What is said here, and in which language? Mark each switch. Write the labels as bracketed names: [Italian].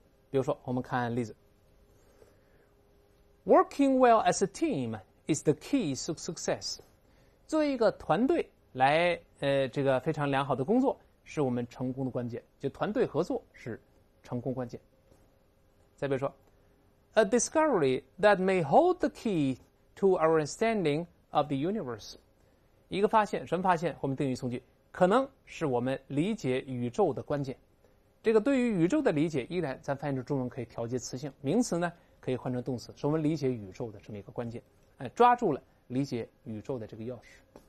[Chinese] 比如说，我们看例子 [English] ：Working well as a team is the key to success。 [Chinese] 作为一个团队来，这个非常良好的工作是我们成功的关键，就团队合作是成功关键。再比如说。 [English] A discovery that may hold the key to our understanding of the universe. [Chinese] 一个发现，什么发现？我们定语从句，可能是我们理解宇宙的关键。这个对于宇宙的理解，依然咱翻译成中文可以调节词性，名词呢可以换成动词，是我们理解宇宙的这么一个关键。抓住了理解宇宙的这个钥匙。